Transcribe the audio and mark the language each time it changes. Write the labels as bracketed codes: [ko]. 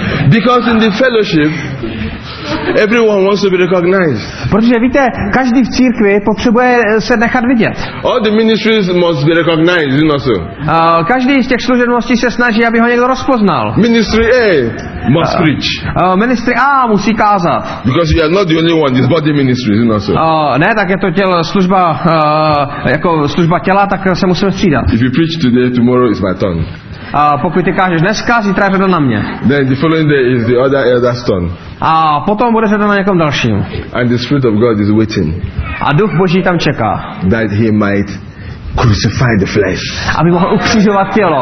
[en] Because in the fellowship, everyone wants to be recognized. [cs] Protože víte, každý v církvi potřebuje se nechat vidět. [en] All the ministries must be recognized, you know so. [cs] Každý z těch služebností se snaží, aby ho někdo rozpoznal. [en] Ministry A must preach. [cs] Ministry A musí kázat. [en] Because you are not the only one, it's body ministry, you know so. [cs] Ne, tak je to služba jako služba těla, tak se musíme střídat. [en] If you preach today, tomorrow is my turn. [cs] A pokud ty kážeš dneska, zítra je to na mě. [en] Then the following day is the other elder stone. [cs] A potom bude řada na někom dalším. [en] And the spirit of God is waiting. [cs] A duch Boží tam čeká. [en] That he might crucify the flesh. [cs] Aby mohl ukřižovat tělo.